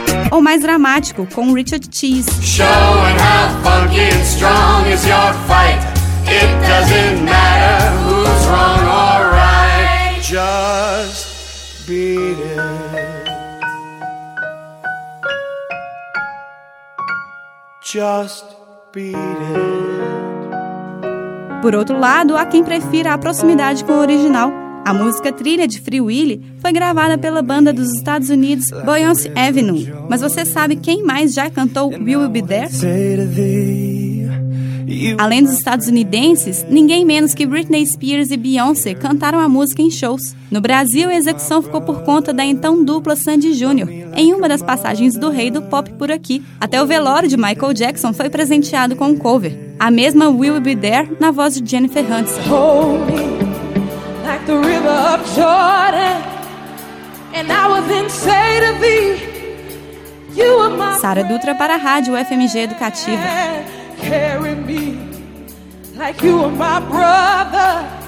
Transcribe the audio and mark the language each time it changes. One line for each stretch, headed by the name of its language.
Portuguese: Ou mais dramático, com Richard Cheese.
English: Show and how funky and strong is your fight. It doesn't matter who's wrong or right. Just beat it. Just beat it.
Portuguese: Por outro lado, há quem prefira a proximidade com o original. A música trilha de Free Willy foi gravada pela banda dos Estados Unidos, Beyoncé Avenue. Mas você sabe quem mais já cantou Will You Be There? Além dos estadunidenses, ninguém menos que Britney Spears e Beyoncé cantaram a música em shows. No Brasil, a execução ficou por conta da então dupla Sandy Júnior, em uma das passagens do rei do pop por aqui. Até o velório de Michael Jackson foi presenteado com um cover. A mesma Will You Be There, na voz de Jennifer Hudson.
English: Hold me like the river of Jordan, and I will then say to thee, you are my. Sara Dutra
Portuguese: para a Rádio FMG Educativa.
English: Carry me like you are my brother.